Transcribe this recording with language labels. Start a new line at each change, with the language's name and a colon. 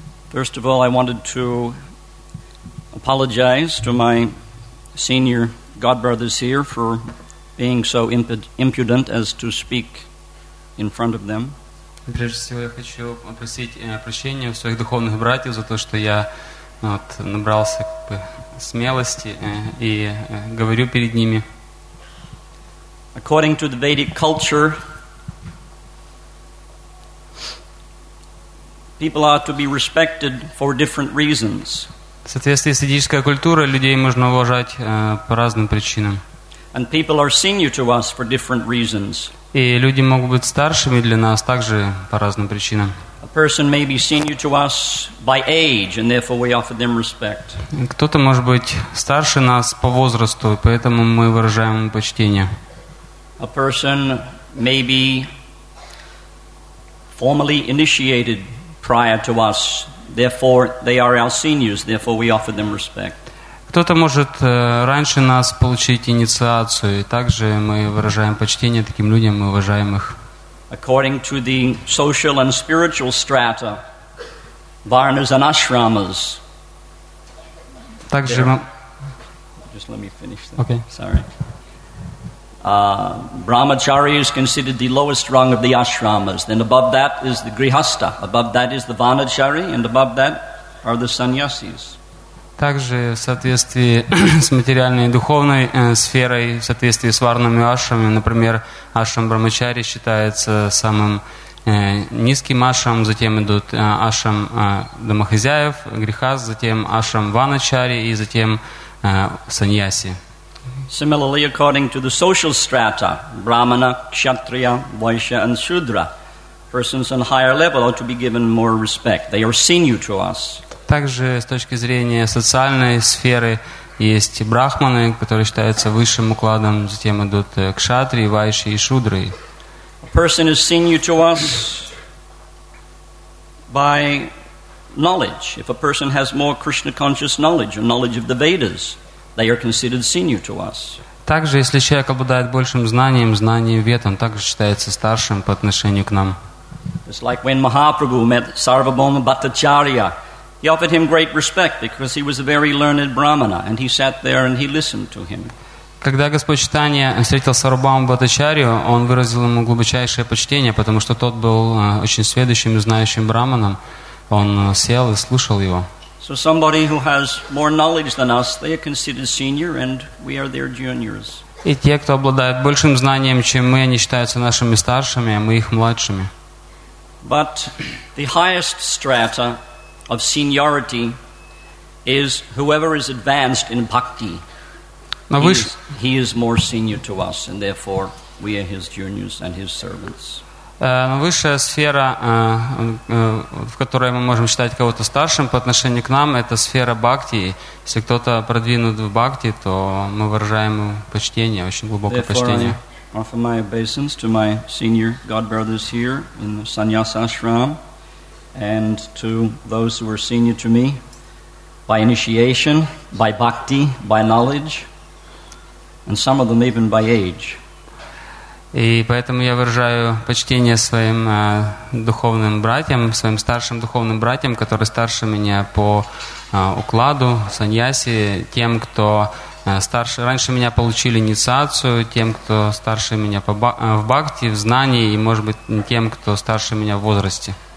English: First of all, I wanted to apologize to my senior godbrothers here for being so impudent as to speak in front of them.
Russian: Прежде всего, я хочу попросить прощения у своих духовных братьев за то, что я набрался смелости и говорю перед ними.
English: According to the Vedic culture, people are to be respected for different reasons.
Russian: В соответствии с ведической культурой людей можно уважать по разным причинам.
English: And people are senior to us for different reasons.
Russian: И люди могут быть старшими для нас также по разным причинам.
English: A person may be senior to us by age, and therefore we offer them respect.
Russian: Кто-то может быть старше нас по возрасту, поэтому мы выражаем ему почтение.
English: A person may be formally initiated prior to us. Therefore, they are our seniors. Therefore, we offer them respect.
Russian: Кто-то может раньше нас получить инициацию, и также мы выражаем почтение таким людям, мы уважаем их.
English: According to the social and spiritual strata, varnas and ashramas.
Russian: Также мы.
English: Just let me finish. That. Okay. Sorry. Brahmacharya is considered the lowest rung of the ashramas. Then above that is the grihastha. Above that is the vanachari, and above that are the sannyasis.
Russian: Также в соответствии с материальной и духовной сферой, в соответствии с варнами ашрамами, например, ашрам брахмачари считается самым низким ашрам. Затем идут ашрам домохозяев, грихаст, затем ашрам ваначари и затем саньяси.
English: Similarly, according to the social strata, Brahmana, Kshatriya, Vaishya, and Shudra, persons on higher level are to be given more respect. They are senior to us.
Russian: Также с точки зрения социальной сферы есть брахманы, которые считаются высшим укладом. Затем идут кшатри, вайши и шудры.
English: A person is senior to us by knowledge. If a person has more Krishna conscious knowledge or knowledge of the Vedas, they are considered senior to us.
Russian: Также, если человек обладает большим знанием, знанием вед, он также считается старшим по отношению к нам.
English: It's like when Mahaprabhu met Sarvabhauma Bhattacharya, he offered him great respect because he was a very learned brahmana, and he sat there and he listened to him.
Russian: Когда Господь Читания встретил Сарвабхаума Бхаттачарью, он выразил ему глубочайшее почтение, потому что тот был очень сведущим и знающим брахманом. Он сел и слушал его.
English: So somebody who has more knowledge than us, they are considered senior, and we are their juniors.
Russian: И те, кто обладает большим знанием, чем мы, они считаются нашими старшими, а мы их младшими.
English: But the highest strata of seniority is whoever is advanced in bhakti.
Russian: Но
English: he is more senior to us, and therefore We are his juniors and his servants.
Russian: Высшая сфера, в которой мы можем считать кого-то старшим по отношению к нам, это сфера бхакти. Если кто-то продвинут в бхакти, то мы выражаем почтение, очень глубокое почтение.
English: I offer my obeisance to my senior godbrothers here in the Sannyas Ashram and to those who are senior to me by initiation, by bhakti, by knowledge, and some of them even by age.
Russian: И поэтому я выражаю почтение своим духовным братьям, своим старшим духовным братьям, которые старше меня по укладу, саньяси, тем, кто старше, раньше меня получили инициацию, тем, кто старше меня по, в бхакти, в знании, и, может быть, тем, кто старше меня в возрасте.